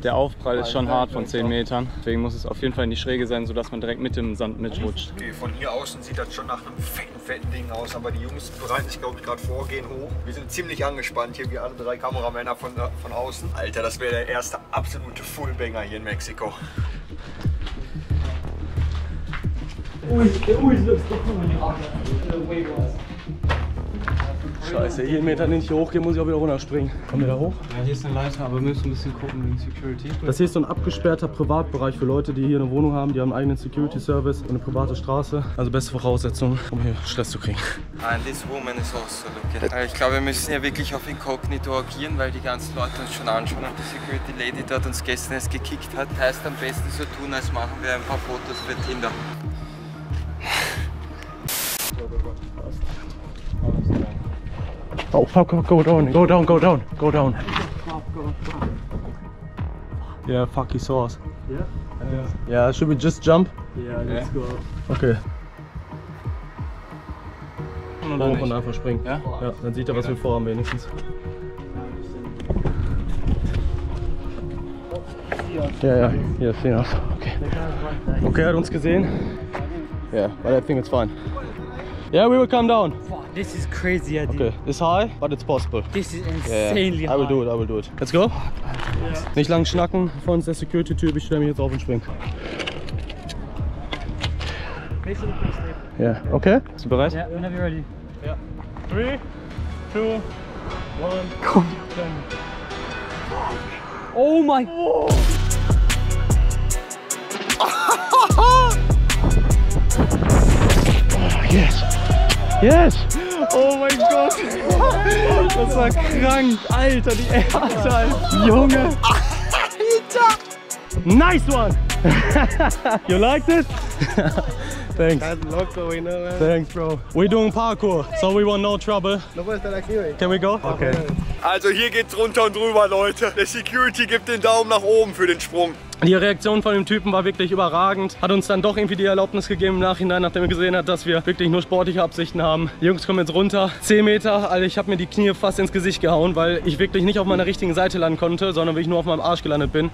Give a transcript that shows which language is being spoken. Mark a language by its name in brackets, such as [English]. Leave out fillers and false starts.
[German] Der Aufprall ist schon hart von 10 Metern. Deswegen muss es auf jeden Fall in die Schräge sein, sodass man direkt mit dem Sand mitrutscht. Okay, von hier außen sieht das schon nach einem fetten, fetten Ding aus. Aber die Jungs bereiten sich, glaube ich, gerade vor, gehen hoch. Wir sind ziemlich angespannt hier, wir alle drei Kameramänner von außen. Alter, das wäre der erste absolute Fullbanger hier in Mexiko. [English] It always looks different when you're up there. [German] Scheiße, hier einen Meter nicht hochgehen, muss ich auch wieder runterspringen. Kommen wir da hoch? Ja, hier ist eine Leiter, aber wir müssen ein bisschen gucken wegen Security. Das hier ist so ein abgesperrter Privatbereich für Leute, die hier eine Wohnung haben. Die haben einen eigenen Security Service und eine private Straße. Also beste Voraussetzung, um hier Stress zu kriegen. [English] And this woman is also looking. [German] Ich glaube, wir müssen ja wirklich auf Inkognito agieren, weil die ganzen Leute uns schon anschauen und die Security Lady dort uns gestern erst gekickt hat. Heißt am besten so tun, als machen wir ein paar Fotos für Tinder. [English] Oh fuck, go down, go down, go down, go down. Yeah, fuck, he saw us. Yeah, should we just jump? Yeah, let's go. Okay. [German] Und einfach springen. Ja? Ja, dann sieht er, was wir vorhaben wenigstens. Ja, ja, hier ist Sinas. Okay. Okay, er hat uns gesehen. [English] Ja, yeah, but I think it's fine. Yeah, we will come down. This is crazy, yeah, dude. Okay, it's high, but it's possible. This is insanely high. I will do it, I will do it. Let's go. [German] Nicht lang schnacken, vor uns der Security-Typ, ich stelle mich jetzt auf und spring. [English] Yeah, okay. [German] Bist du bereit? [English] Yeah, whenever you're ready. Yeah. 3, 2, 1, 10. Oh my! Yes! Yes! Oh my god! [German] Das war krank! Alter, die Erde, Alter! Junge! Alter! [English] Nice one! You liked it? Thanks. That's locked, so we know, man. Thanks, bro. We're doing parkour, so we want no trouble. No question, actually. Can we go? Okay. [German] Also hier geht's runter und drüber, Leute. Der Security gibt den Daumen nach oben für den Sprung. Die Reaktion von dem Typen war wirklich überragend. Hat uns dann doch irgendwie die Erlaubnis gegeben im Nachhinein, nachdem er gesehen hat, dass wir wirklich nur sportliche Absichten haben. Die Jungs kommen jetzt runter. 10 Meter, also ich habe mir die Knie fast ins Gesicht gehauen, weil ich wirklich nicht auf meiner richtigen Seite landen konnte, sondern weil ich nur auf meinem Arsch gelandet bin.